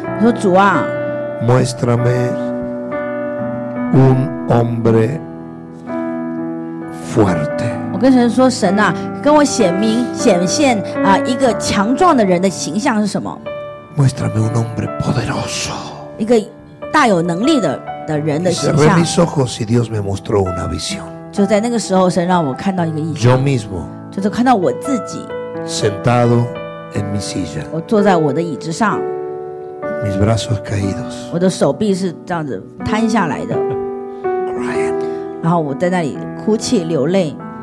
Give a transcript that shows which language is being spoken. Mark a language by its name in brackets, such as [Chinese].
[Chinese] 我说主啊, [Spanish] muéstrame un hombre fuerte. [Chinese] 我跟神说, 神啊, 跟我显明, 显现, 啊, 一个强壮的人的形象是什么? [Spanish] Muéstrame un hombre poderoso. [Chinese] 一个大有能力的, [Spanish] cerré mis ojos y Dios me mostró una visión. [Chinese] 就在那个时候, 神让我看到一个意象, [Spanish] yo mismo [Chinese] 就是看到我自己, [Spanish] sentado en mi silla, [Chinese] 我坐在我的椅子上, [Spanish] mis brazos caídos, [Chinese] 我的手臂是这样子摊下来的, [English] crying, [Chinese] 然后我在那里哭泣, 流泪,